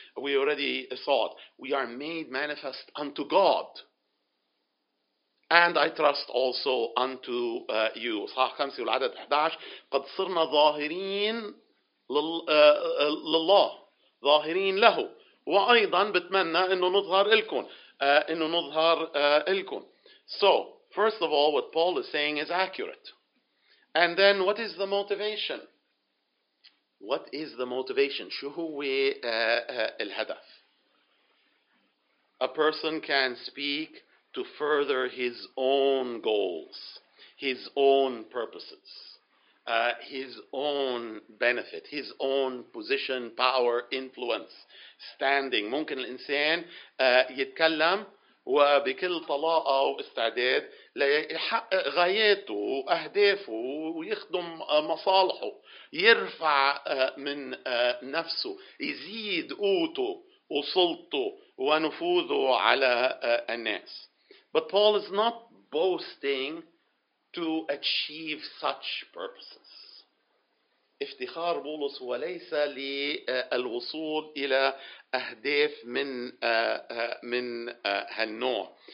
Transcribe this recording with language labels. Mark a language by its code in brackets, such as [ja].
[en] We already saw it. We are made manifest unto God. And I trust also unto you. [ar] صحيح 5 والعدد 11. قد صرنا ظاهرين لله. ظاهرين له. وأيضا بتمنى أنه نظهر لكم. أنه نظهر لكم. [en] So, first of all, what Paul is saying is accurate. And then, what is the motivation? What is the motivation? [ar] شو هو الهدف? [en] A person can speak to further his own goals, his own purposes, his own benefit, his own position, power, influence, standing. [ar] ممكن الإنسان يتكلم وبكل طلاقة واستعداد ليحقق غاياته وأهدافه ويخدم مصالحه، يرفع من نفسه، يزيد قوته وسلطته ونفوذه على الناس. [en] But Paul is not boasting to achieve such purposes. [ar] افتخار بولس هو ليس للوصول إلى أهداف من هالنوع.